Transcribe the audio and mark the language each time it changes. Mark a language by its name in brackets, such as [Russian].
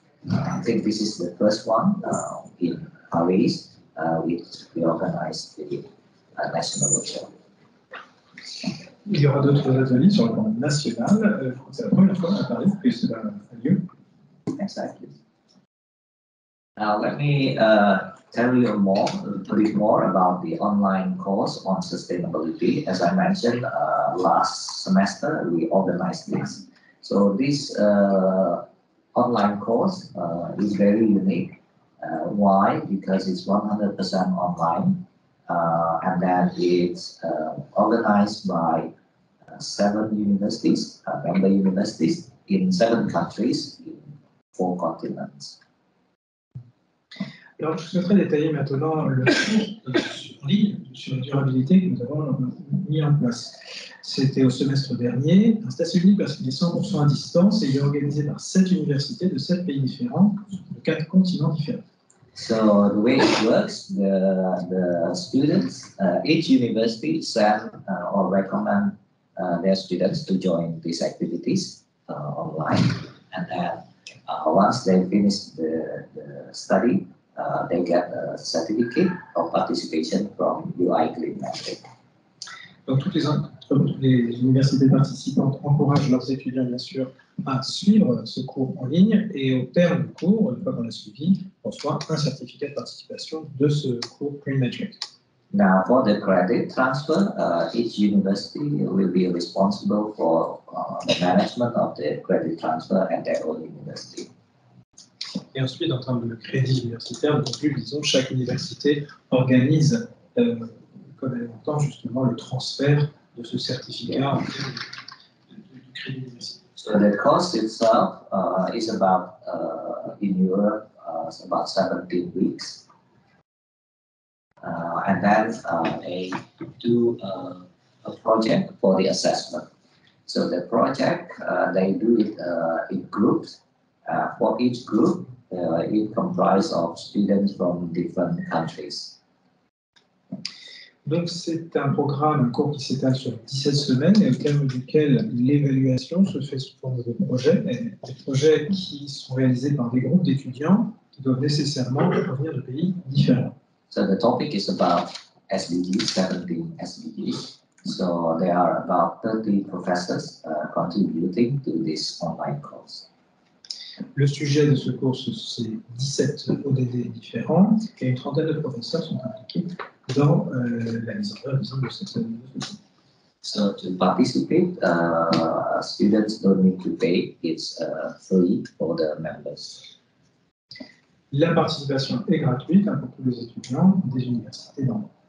[English] I think this is the first one in Paris. We organize a national workshop. [French] Il y aura d'autres ateliers sur le plan national. C'est la première fois à Paris que cela a lieu. [English] Exactly. Now let me tell you more, a bit more about the online course on sustainability. As I mentioned, last semester we organized this. So this online course is very unique. Why? Because it's 100% online. And then it's organized by 7 universities, member universities in 7 countries, in 4 continents. [French] Alors, je souhaiterais détailler maintenant le cours sur la durabilité que nous avons mis en place. C'était au semestre dernier, aux États-Unis, parce qu'il est 100% à distance et il est organisé par 7 universités de 7 pays différents, sur 4 continents différents. [English] So the way it works, the students, each university send or recommend their students to join these activities online, and then once they finish the study, they get a certificate of participation from UI Green Metric. [French] Donc toutes les universités participantes encouragent leurs étudiants bien sûr à suivre ce cours en ligne et au terme du cours, une fois qu'on l'a suivi, on reçoit un certificat de participation de ce cours Green Metric. [English] Now for the credit transfer, each university will be responsible for the management of the credit transfer at their own university. [French] Et ensuite, en termes de crédit universitaire, donc disons chaque université organise comme elle entend justement le transfert de ce certificat du crédit universitaire. [English] So the cost itself is about in Europe about 17 weeks, and then they do a project for the assessment. So the project they do it in groups. For each group, it comprises of students from different countries. [French] Donc c'est un programme, un cours qui s'étale sur 17 semaines et au terme duquel l'évaluation se fait sous forme de projets, des projets qui sont réalisés par des groupes d'étudiants qui doivent nécessairement provenir de pays différents. [English] So the topic is about SDGs, 17 SDGs. So there are about 30 professors contributing to this online course. [French] Le sujet de ce cours, c'est 17 ODD différents et une trentaine de professeurs sont impliqués dans la mise en œuvre de cette [English] So to participate, students don't need to pay. It's free for the members. [French] La participation est gratuite pour tous les étudiants des universités membres.